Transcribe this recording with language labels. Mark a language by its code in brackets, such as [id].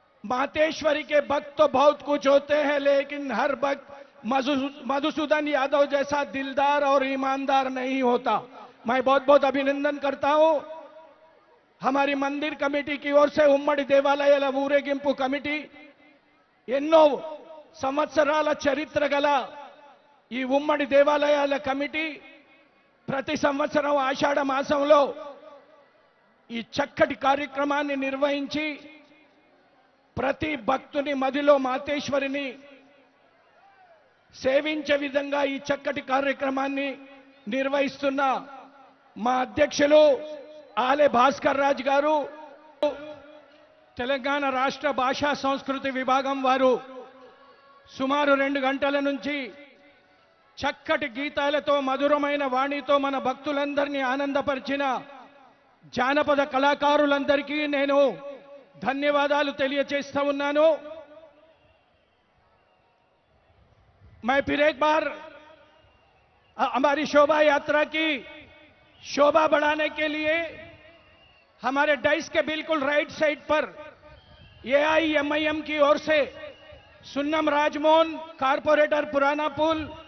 [hi] मातेश्वरी के भक्त तो बहुत कुछ होते हैं, लेकिन हर भक्त मधुसूदन यादव जैसा दिलदार और ईमानदार नहीं होता। मैं बहुत बहुत अभिनंदन करता हूं हमारी मंदिर कमेटी की ओर से, उम्मड़ देवालय ऊरे गिंपू कमेटी। [te] ఎన్నో సంవత్సరాల చరిత్ర గల ఈ ఉమ్మడి దేవాలయాల కమిటీ ప్రతి సంవత్సరం ఆషాఢ మాసంలో ఈ చక్కటి కార్యక్రమాన్ని నిర్వహించి ప్రతి భక్తుని మదిలో మాతేశ్వరిని సేవించే విధంగా ఈ చక్కటి కార్యక్రమాన్ని నిర్వహిస్తున్న మా అధ్యక్షులు ఆలే భాస్కర్ రాజ్ గారు, తెలంగాణ రాష్ట్ర భాషా సంస్కృతి విభాగం వారు సుమారు 2 గంటల నుంచి చక్కటి గీతాలతో మధురమైన వాణితో మన భక్తులందర్ని ఆనందపరిచిన జానపద కళాకారులందరికీ నేను ధన్యవాదాలు తెలియజేస్తా ఉన్నాను। [hi] మై ఫిర్ ఏక్ బార్ హమారీ శోభా యాత్ర కీ శోభా బడానే కే లియే హమారే డైస్ కే బిల్కుల్ రైట్ సైడ్ పర్ AIMIM की ओर से सुन्नम राजमोहन कारपोरेटर पुराना पुल